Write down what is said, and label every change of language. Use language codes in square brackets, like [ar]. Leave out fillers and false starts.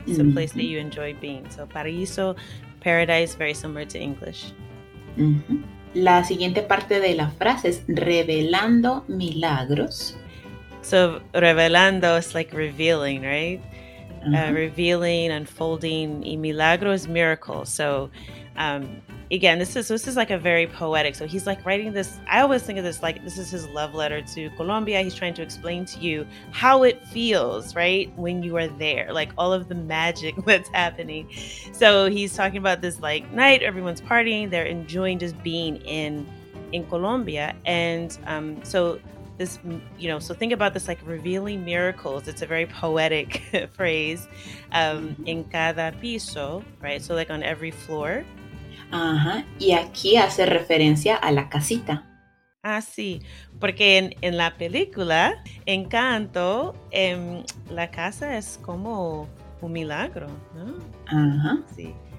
[en] It's a place that you enjoy being. So, paraíso, paradise, very similar to English. Mm-hmm. [es] La siguiente parte de la frase es revelando milagros. [en] So, revelando is like revealing, right? Revealing, unfolding, y milagro is miracle. So, again, this is like a very poetic. So he's like writing this. I always think of this like this is his love letter to Colombia. He's trying to explain to you how it feels, right, when you are there, like all of the magic that's happening. So he's talking about this like night, everyone's partying, they're enjoying just being in Colombia, and this, you know, so think about this like revealing miracles. It's a very poetic phrase. [es] En cada piso, [en] right? So like on every floor. [es] Y aquí hace referencia a la casita. Ah, sí. Porque en la película, Encanto, la casa es como un milagro, ¿no? Sí.